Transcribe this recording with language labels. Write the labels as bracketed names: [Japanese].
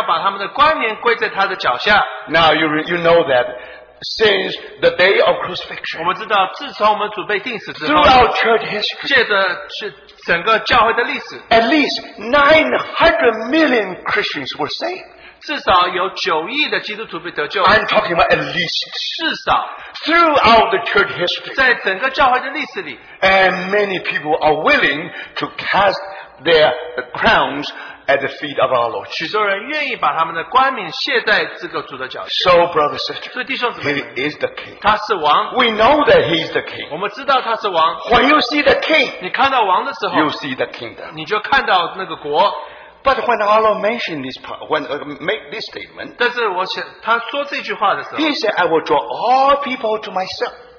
[Chinese] 但许多人要把他们的冠冕归在他的脚下。 [English] Now you know that since the day of crucifixion, [Chinese] 我们知道自从我们主被钉死之后, [English] throughout church history, [Chinese] 借着整个教会的历史, [English] at least 900 million Christians were saved. [Chinese] 至少有9亿的基督徒被得救, [English] I'm talking about at least, [Chinese] 至少, [English] throughout the church history, [Chinese] 在整个教会的历史里, [English] and many people are willing to cast their crowns at the feet of our Lord. [Chinese] 许多人愿意把他们的冠冕卸在这个主的脚下, [English] so brothers and sisters, [Chinese] 所以弟兄姊妹们, [English] he is the king. [Chinese] 他是王, [English] we know that he is the king. [Chinese] 我们知道他是王, [English] when you see the king, [Chinese] 你看到王的时候, [English] you see the kingdom. [Chinese] 你就看到那个国, [English] but when our Lord mentioned this part, when make this statement, [Chinese] 但是他说这句话的时候, [English] he said, I will draw all people to myself.